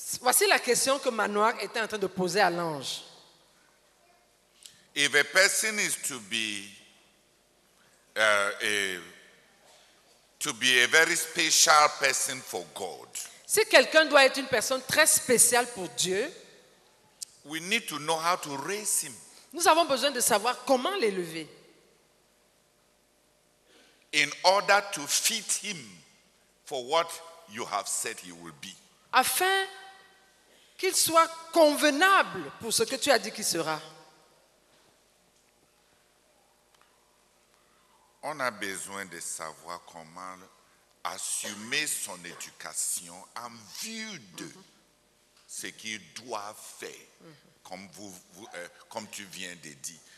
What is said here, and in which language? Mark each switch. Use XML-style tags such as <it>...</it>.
<fr>Voici la question que Manoah était en train de poser à l'ange.</fr> <en>If a person is to be... to be a very special person for God.</en> <fr>Si quelqu'un doit être une personne très spéciale pour Dieu,</fr> <en>we need to know how to raise him.</en> <fr>Nous avons besoin de savoir comment l'élever.</fr> <en>In order to fit him for what you have said he will be.</en> <fr>Afin qu'il soit convenable pour ce que tu as dit qu'il sera. On a besoin de savoir comment assumer son éducation en vue de ce qu'il doit faire, comme tu viens de dire.</fr>